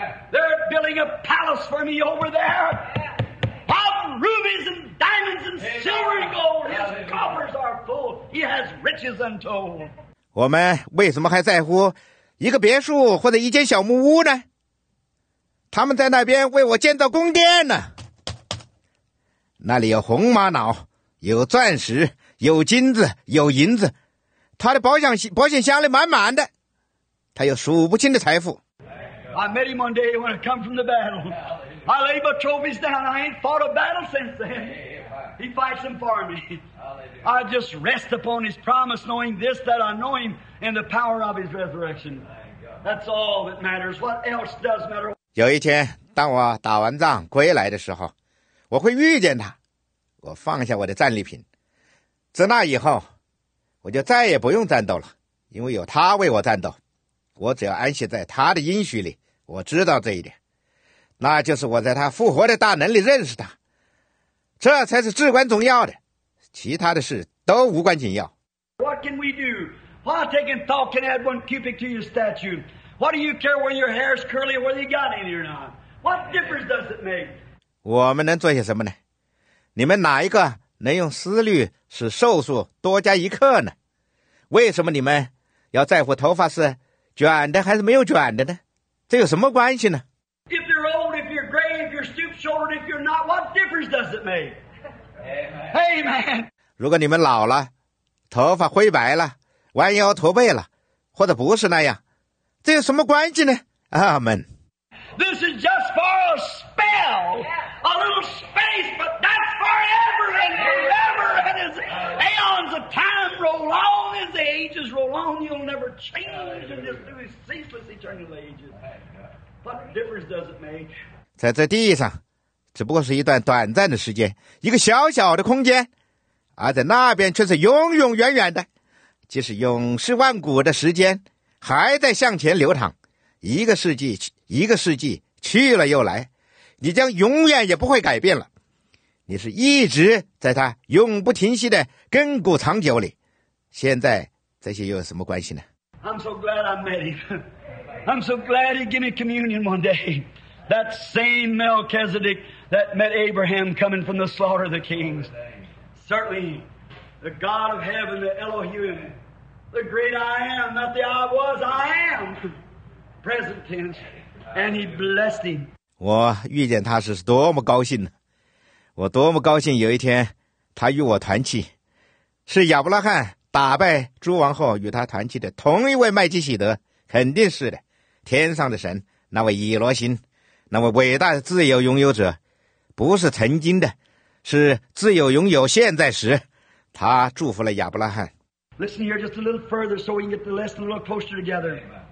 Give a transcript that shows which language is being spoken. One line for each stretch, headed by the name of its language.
English: They're building a palace for me over there of rubies and diamonds and silver and gold. His coffers are full. He has riches untold.
Chinese: 我们为什么还在乎一个别墅或者一间小木屋呢？他们在那边为我建造宫殿呢。那里有红玛瑙，有钻石，有金子，有银子。他的保险箱里满满的，他有数不清的财富。
English: I met him one day when I come from the battle. I laid my trophies down. I ain't fought a battle since then. He fights them for me. I just rest upon his promise, knowing this, that I know him in the power of his resurrection. That's all that matters. What else does matter?
Chinese: 有一天，当我打完仗归来的时候，我会遇见他。我放下我的战利品。自那以后，我就再也不用战斗了，因为有他为我战斗。我只要安息在他的应许里，我知道这一点，那就是我在他复活的大能里认识他，这才是至关重要的，其他的事都无关紧要。
English: What can we do? Why taking thought can add one cubic to your statue? What do you care when your hair is curly or whether you got any or not? What difference does it make?
Chinese: 我们能做些什么呢？你们哪一个能用思虑使寿数多加一刻呢？为什么你们要在乎头发是卷的还是没有卷的呢？这有什么关系呢？
English: If you're old, if you're gray, if you're stoop-shouldered, if you're not, what difference does it make? Amen. Amen.
Chinese: 如果你们老了，头发灰白了，弯腰驼背了，或者不是那样，这有什么关系呢？阿门。
English: This is just for a spell, a little space, but that's forever and forever. And as aeons of time roll on, as the ages roll on, you'll never change and just do ceaseless eternal ages. What difference does it make?
Chinese: 在这地上，只不过是一段短暂的时间，一个小小的空间，而在那边却是永永远远的，即使永世万古的时间还在向前流淌。一个世纪去了又来，你将永远也不会改变了，你是一直在他永不停息的亘古长久里，现在这些又有什么关系呢？
English: I'm so glad I met him. I'm so glad he gave me communion one day. That same Melchizedek that met Abraham coming from the slaughter of the kings. Certainly, the God of heaven, the Elohim, the great I am, not the I was, I am. Present tense. And he blessed him.
Chinese: 我遇见他是多么高兴呢，我多么高兴有一天他与我团契，是亚伯拉罕打败诸王后与他团契的同一位麦基洗德，肯定是的，天上的神，那位以罗心，那位伟大的自由拥有者，不是曾经的，是自由拥有现在时，他祝福了亚伯拉罕。
English: Listen here just a little further so we can get the lesson a little closer together.